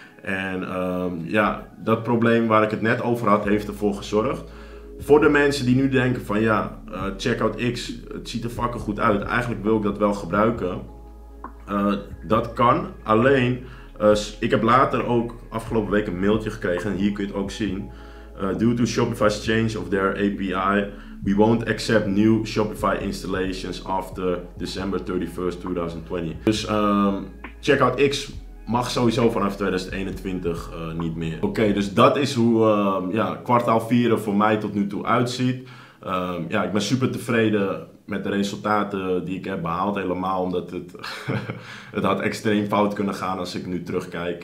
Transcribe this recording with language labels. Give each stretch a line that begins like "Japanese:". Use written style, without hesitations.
Dutch: En dat probleem waar ik het net over had, heeft ervoor gezorgd. Voor de mensen die nu denken van ja, Checkout X, het ziet er fucking goed uit. Eigenlijk wil ik dat wel gebruiken. Dat kan. Alleen, ik heb later ook afgelopen week een mailtje gekregen. En hier kun je het ook zien.
English: Due to Shopify's change of their API, we won't accept new Shopify installations after December 31st, 2020.
Dutch: Dus Checkout X mag sowieso vanaf 2021 niet meer. Oké, dus dat is hoe kwartaal 4 voor mij tot nu toe uitziet. Ik ben super tevreden met de resultaten die ik heb behaald. Helemaal omdat het had extreem fout kunnen gaan als ik nu terugkijk.